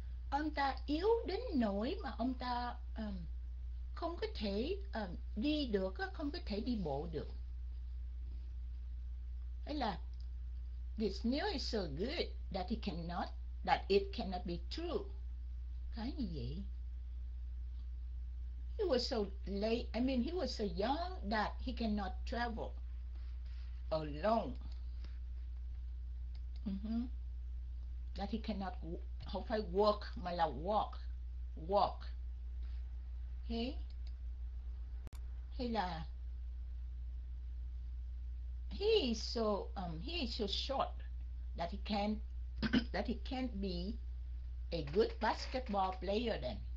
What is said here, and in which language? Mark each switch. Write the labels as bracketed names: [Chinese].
[Vietnamese] Ông ta yếu đến nỗi mà ông ta không có thể đi được, không có thể đi bộ được. Hay là [English] this news is so good that it cannot be true. [Vietnamese] Khá như vậy. [English] He was so late, I mean he was so young that he cannot travel alone. That he cannot, [Vietnamese] không phải [English] walk [Vietnamese] mà là [English] walk. Walk. Okay. [Vietnamese] Hay là [English] he is so short that he can't that he can't be a good basketball player then.